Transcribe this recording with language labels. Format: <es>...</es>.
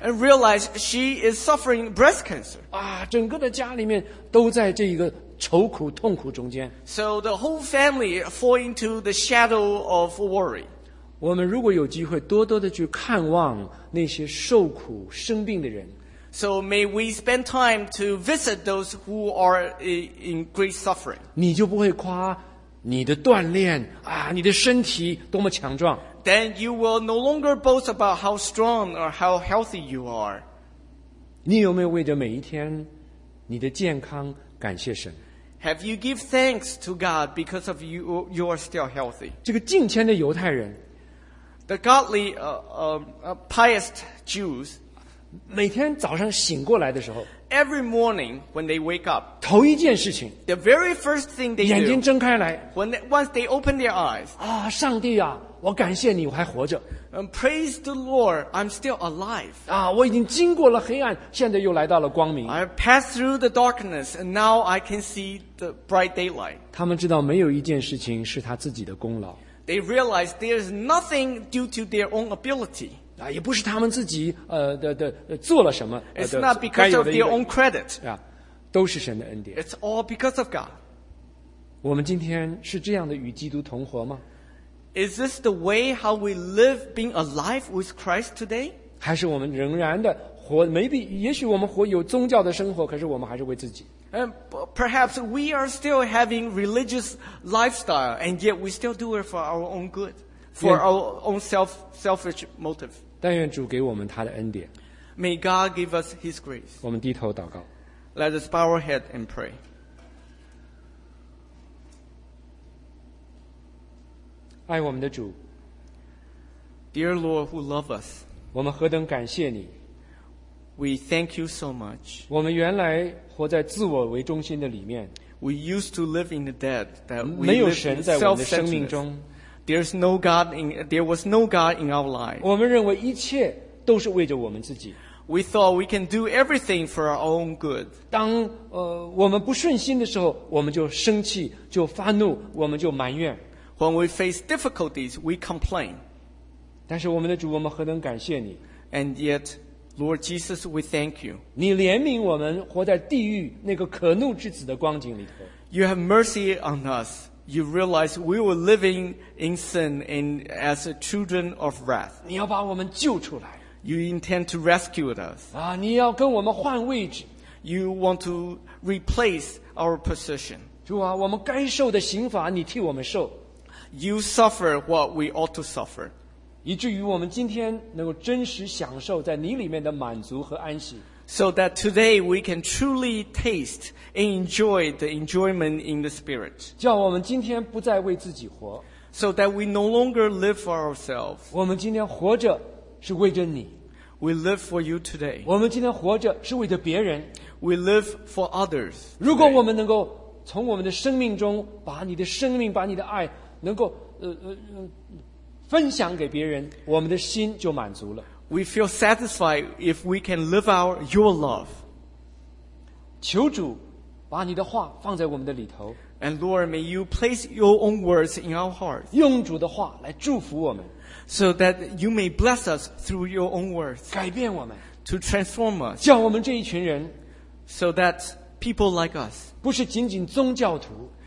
<en>，and realize she is suffering breast cancer.</en> <zh>啊，整个的家里面都在这一个愁苦痛苦中间。</zh> <en>So the whole family fall into the shadow of worry.</en> <zh>我们如果有机会多多的去看望那些受苦生病的人。</zh> <en>So may we spend time to visit those who are in great suffering.</en> <zh>你就不会夸你的锻炼啊，你的身体多么强壮。</zh> <en>Then you will no longer boast about how strong or how healthy you are.</en> <zh>你有没有为着每一天你的健康感谢神？</zh> <en>Have you give thanks to God because of you are still healthy?</en> <zh>这个敬虔的犹太人，</zh> <en>The godly pious Jews,</en> <zh>每天早上醒过来的时候，</zh> <en>Every morning when they wake up,</en> <zh>头一件事情，</zh> <en>The very first thing they do,</en> <zh>眼睛睁开来，</zh> <en>Once they open their eyes,</en> <zh>啊，上帝啊，我感谢你，我还活着。</zh> <en>Praise the Lord, I'm still alive.</en> <zh>啊，我已经经过了黑暗，现在又来到了光明。</zh> <en>I passed through the darkness, and now I can see the bright daylight.</en> <zh>他们知道没有一件事情是他自己的功劳。</zh> <en>They realize there is nothing due to their own ability.</en> <zh>啊，也不是他们自己做了什么。</zh> <en>It's not because of their own credit.</en> <zh>啊，都是神的恩典。</zh> <en>It's all because of God.</en> <zh>我们今天是这样的与基督同活吗？</zh> <en>Is this the way how we live being alive with Christ today?</en> <zh>还是我们仍然的活</zh> <en>maybe,</en> <zh>也许我们活有宗教的生活，可是我们还是为自己。</zh> <en>And perhaps we are still having religious lifestyle, and yet we still do it for our own good, for our own selfish motive.</en> <zh>但愿主给我们他的恩典。</zh> <en>May God give us His grace.</en> <zh>我们低头祷告。</zh> <en>Let us bow our head and pray. Dear Lord, who love us, we</en> <zh>何等感谢你。</zh> <en>We thank you so much.</en> <zh>我们原来活在自我为中心的里面。</zh> <en>We used to live in the dead that we</en> <zh>没有神在我们的生命中。</zh> <en>There was no God in our life.</en> <zh>我们认为一切都是为着我们自己。</zh> <en>We thought we can do everything for our own good.</en> <zh>当我们不顺心的时候，我们就生气，就发怒，我们就埋怨。</zh> <en>When we face difficulties, we complain.</en> <zh>但是我们的主，我们何能感谢你。</zh> <en>And yet, Lord Jesus, we thank you.</en> <zh>你怜悯我们活在地狱那个可怒之子的光景里头。</zh> <en>You have mercy on us. You realize we were living in sin and as children of wrath.</en> <zh>你要把我们救出来。</zh> <en>You intend to rescue us.</en> <zh>啊，你要跟我们换位置。</zh> <en>You want to replace our position.</en> <zh>主啊，我们该受的刑罚你替我们受。</zh> <en>You suffer what we ought to suffer.</en> <zh>以至于我们今天能够真实享受在你里面的满足和安息。</zh> <en>So that today we can truly taste and enjoy the enjoyment in the Spirit.</en> <zh>叫我们今天不再为自己活。</zh> <en>So that we no longer live for ourselves.</en> <zh>我们今天活着是为着你。</zh> <en>We live for you today.</en> <zh>我们今天活着是为着别人。</zh> <en>We live for others.</en> <zh>如果我们能够从我们的生命中把你的生命把你的爱能够分享给别人，我们的心就满足了。</zh> <en>We feel satisfied if we can live out your love.</en> <zh>求主把你的话放在我们的里头。</zh> <en>And Lord, may you place your own words in our hearts.</en> <zh>用主的话来祝福我们。</zh> <en>So that you may bless us through your own words.</en> <zh>改变我们。</zh> <en>To transform us.</en> <zh>叫我们这一群人。</zh> <en>So that people like us.</en> <zh>不是仅仅宗教徒。</zh>